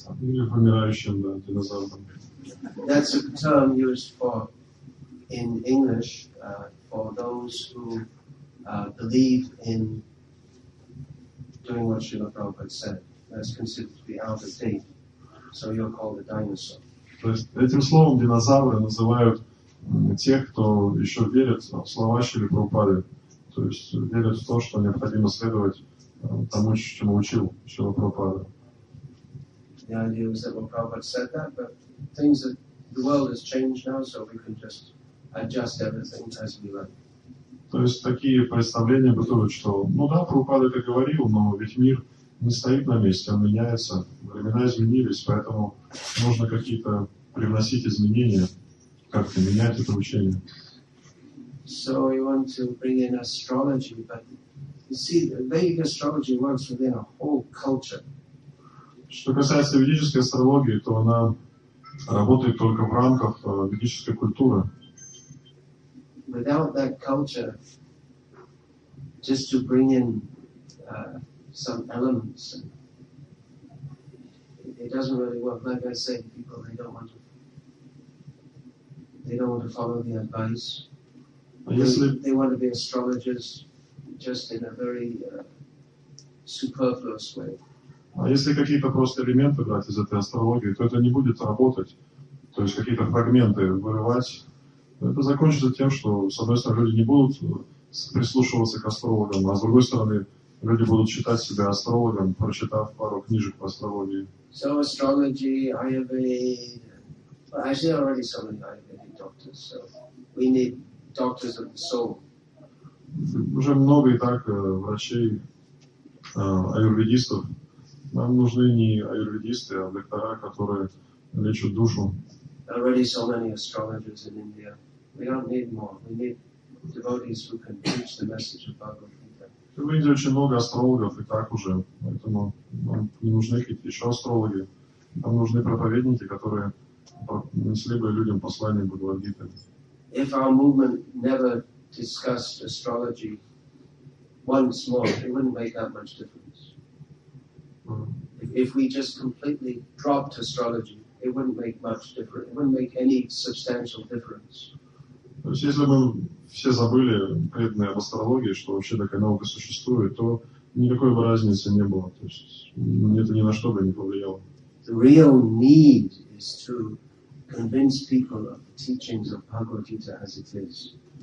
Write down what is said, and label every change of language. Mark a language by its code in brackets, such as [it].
[ru] Или вымирающим, да, динозавром. [en] That's a term used for, in English, for those who believe in doing what Srila Prabhupada said. That's considered to be out of date. So you're called a dinosaur. [ru] То есть этим словом динозавры называют тех, кто еще верит в слова Шри Прабхупады. То есть верят в то, что необходимо следовать тому, чему учил Шри Прабхупада. The idea was that Prabhupada said that, but things that the world has changed now, so we can just adjust everything as we like. То есть такие представления бытуют, что, ну да, Прабхупада это говорил, но ведь мир не стоит на месте, он меняется. Времена изменились, поэтому нужно какие-то привносить изменения, как-то менять это учение. [en] So we want to bring in astrology, but you see, the Vedic astrology works within a whole culture. [ru] Что касается ведической астрологии, то она работает только в рамках ведической культуры. [en] Without that culture, just to bring in some elements. It doesn't really work. Like I say, people they don't want to follow the advice. They want to be astrologers just in a very superfluous way. [ru] А если какие-то просто элементы брать из этой астрологии, то это не будет работать. То есть какие-то фрагменты вырывать. Это закончится тем, что, с одной стороны, люди не будут прислушиваться к астрологам, а с другой стороны, люди будут считать себя астрологом, прочитав пару книжек по астрологии. [en] So astrology, Ayurveda, actually there are already so many Ayurvedic doctors, so we need doctors of the soul. [ru] Уже много и так врачей, аюрведистов. Нам нужны не аюрведисты, а доктора, которые лечу душу. [en] Already so many astrologers in India. We don't need more. We need devotees who can preach the message of Bhagavad Gita. [ru] В Индии очень много астрологов и так уже, поэтому нам не нужны какие-то еще астрологи. Нам нужны проповедники, которые несли бы людям послание Бхагавад Гиты. [en] If our movement never discussed astrology once more, it wouldn't make that much difference. If we just completely dropped astrology, it wouldn't make much difference. It wouldn't make any substantial difference. [ru] То есть, если бы мы все забыли преданные об астрологии, что вообще такая наука существует, то никакой бы разницы не было. То есть, это ни на что бы не повлияло. [en] The real need is to convince people of the teachings of Bhagavad Gita as it is.